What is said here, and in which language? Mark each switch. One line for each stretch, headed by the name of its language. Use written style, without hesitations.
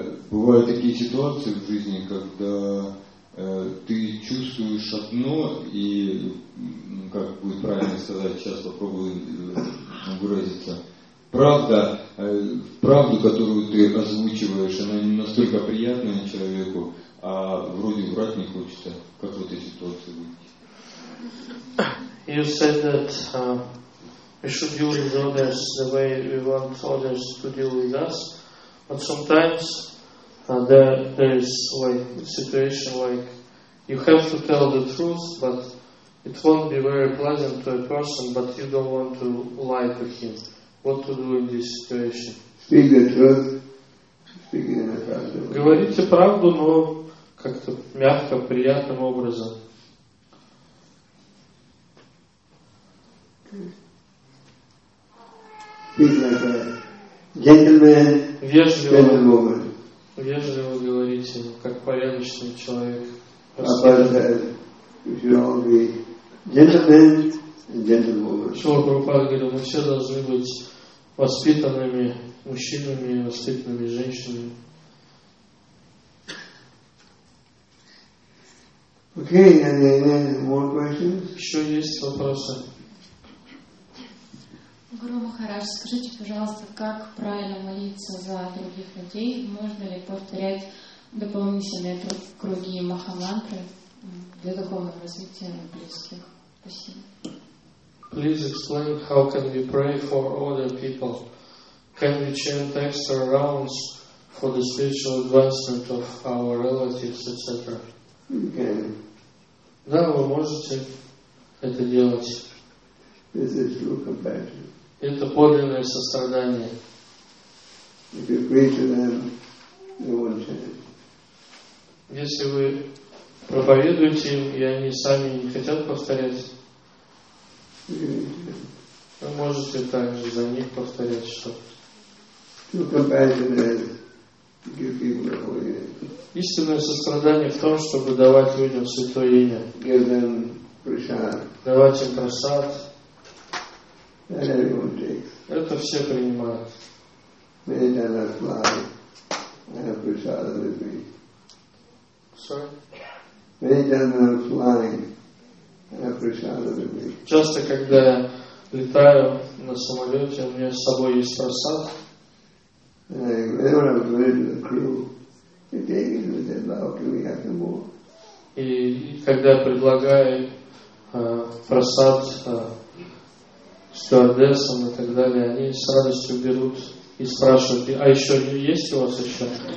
Russian: Бывают такие ситуации в жизни, когда ты чувствуешь одно, и, как будет правильно сказать, сейчас попробую выразиться, правда, правду, которую ты озвучиваешь, она не настолько приятная человеку, а вроде врать не хочется. Как в этой ситуации быть?
English: You said that we should deal with others the way we want others to deal with us, but sometimes there is like a situation like you have to tell the truth, but it won't be very pleasant to a person, but you don't want to lie to him. What to do in this situation? Speak the truth. Speak in a kind of...
Russian: Говорите правду, но как-то мягко, приятным образом. Джентльмен, вежливо говорите, как порядочный человек. Джентльмен, джентльмен. Мы все должны быть воспитанными мужчинами, воспитанными женщинами.
English: Окей, any more questions?
Russian: Еще есть вопросы? Гуру Махарадж, скажите, пожалуйста, как правильно молиться за других людей? Можно ли повторять дополнительные круги Махамантры для духовного развития близких? Спасибо.
English: Please explain how can we pray for other people? Can we chant extra rounds for the spiritual advancement of our relatives, etc.? Okay.
Russian: Да, вы можете это делать.
English: This is true compassion.
Russian: Это подлинное сострадание.
English: If you pray to them, they won't change.
Russian: Если вы проповедуете им, и они сами не хотят повторять, вы можете также за них повторять что-то.
English: True compassion is to give people the holy name.
Russian: Истинное сострадание в том, чтобы давать людям святое имя.
English: Give them prasad.
Russian: Давать им прасад.
English: And everyone takes.
Russian: Это все принимают.
English: Many times I fly, I have prasad with me. Sorry? Many times I'm flying, I have prasad with me.
Russian: Часто, когда я летаю на самолете, у меня с собой есть прасад.
English: Whenever I'm going to the crew, they take it with them, okay, we have some more.
Russian: И когда я предлагаю прасад стюардессам и так далее, они с радостью берут и спрашивают, а еще есть у вас еще?